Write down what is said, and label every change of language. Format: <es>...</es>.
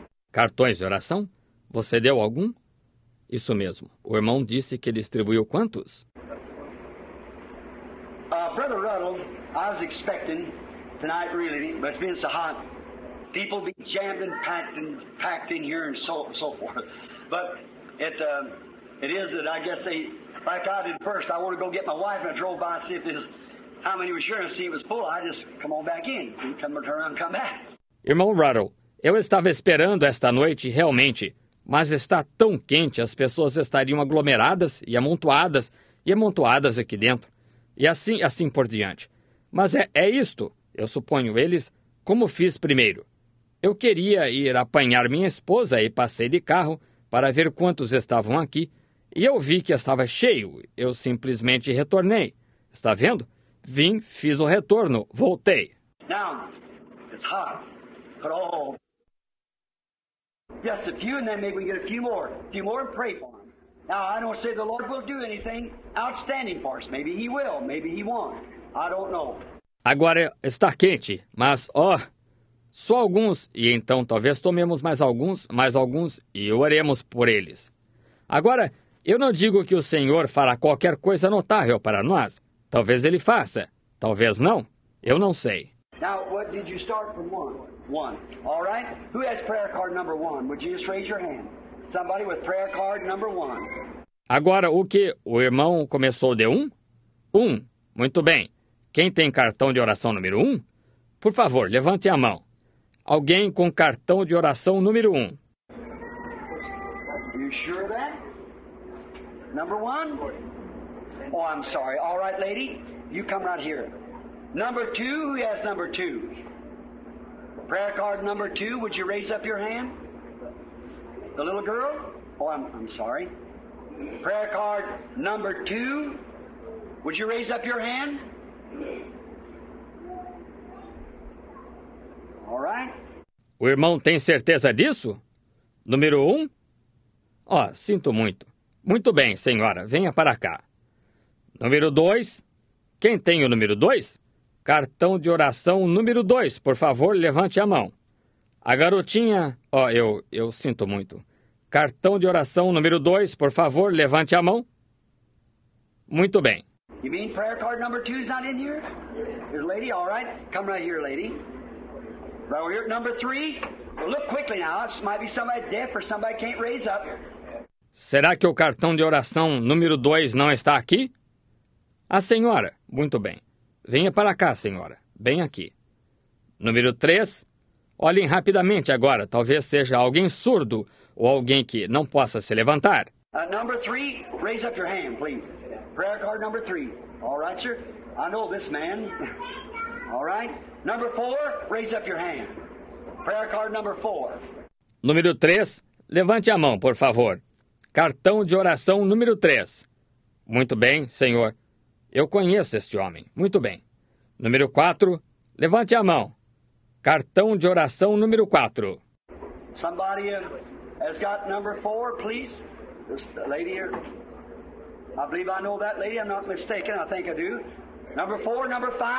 <pt>Cartões de oração? Você deu algum? Isso mesmo. O irmão disse que distribuiu quantos?</pt> <en>Brother Ruddle, I was expecting tonight really, but it's been so hot. People be jammed and packed in here and so forth. But it is that I guess they, like I did first, I want to go get my wife and I drove by to see if this, how many were sure and see if it was full. I just come on back in, see, come turn around and come back.</en> <pt>Irmão Ruddle, eu estava esperando esta noite realmente, mas está tão quente, as pessoas estariam aglomeradas e amontoadas aqui dentro. E assim por diante. Mas é isto, eu suponho eles, como fiz primeiro. Eu queria ir apanhar minha esposa e passei de carro para ver quantos estavam aqui. E eu vi que estava cheio, eu simplesmente retornei. Está vendo? Vim, fiz o retorno, voltei.</pt> <en>Now, it's hot, but all... Just a few, and then maybe we get a few more and pray for them. Now, I don't say the Lord will do anything outstanding for us. Maybe he will, maybe he won't. I don't know.</en> <pt>Agora está quente, mas, só alguns, e então talvez tomemos mais alguns, e oremos por eles. Agora, eu não digo que o Senhor fará qualquer coisa notável para nós. Talvez ele faça, talvez não, eu não sei.</pt> <en>Now, what did you start from one? One. All right? Who has prayer card number one? Would you just raise your hand? Somebody with prayer card number one.</en> <pt>Agora, o que? O irmão começou de um? Um. Muito bem. Quem tem cartão de oração número um? Por favor, levante a mão. Alguém com cartão de oração número um?</pt> <en>Are you sure of that? Number one? Oh, I'm sorry. All right, lady. You come right here. Number two? Who has number two? Prayer card number two, would you raise up your hand? The little girl? Oh, I'm sorry. Prayer card number two, would you raise up your hand? All right.</en> <pt>O irmão tem certeza disso? Número um? Oh, sinto muito. Muito bem, senhora, venha para cá. Número dois? Quem tem o número dois? Cartão de oração número 2, por favor, levante a mão. A garotinha... eu sinto muito. Cartão de oração número 2, por favor, levante a mão. Muito bem.</pt> <en>You mean prayer card number 2 is not in here? Is lady, all right. Come right here, lady. Right over here, number 3. Look quickly now. This might be somebody deaf or somebody can't raise up.</en> <pt>Será que o cartão de oração número 2 não está aqui? A senhora, muito bem. Venha para cá, senhora. Bem aqui. Número 3. Olhem rapidamente agora. Talvez seja alguém surdo ou alguém que não possa se levantar.</pt> <en>Number 3, raise up your hand, please. Prayer card number 3. All right, sir. I know this man. All right. Number 4, raise up your hand. Prayer card number 4.</en> <pt>Número 3, levante a mão, por favor. Cartão de oração número 3. Muito bem, senhor. Eu conheço este homem. Muito bem. Número 4, levante a mão. Cartão de oração número 4.</pt> <en>Somebody has got number 4, please. This lady here. I believe I know that lady. I'm not mistaken. I think I do. Number 4, number 5.</en>